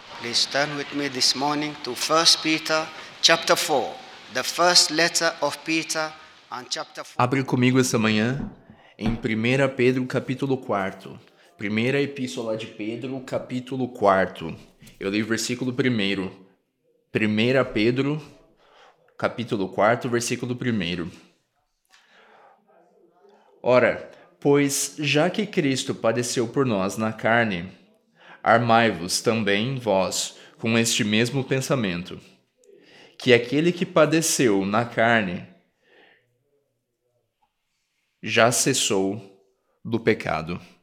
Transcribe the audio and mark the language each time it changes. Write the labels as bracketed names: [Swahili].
[English] Please turn with me this morning to 1 Peter chapter 4, the first letter of Peter and chapter 4. [Portuguese] Abre comigo essa manhã em 1 Pedro capítulo 4. Primeira epístola de Pedro, capítulo 4. Eu li o versículo 1. 1 Pedro capítulo 4, versículo 1. Ora, pois já que Cristo padeceu por nós na carne, armai-vos também vós com este mesmo pensamento, que aquele que padeceu na carne já cessou do pecado.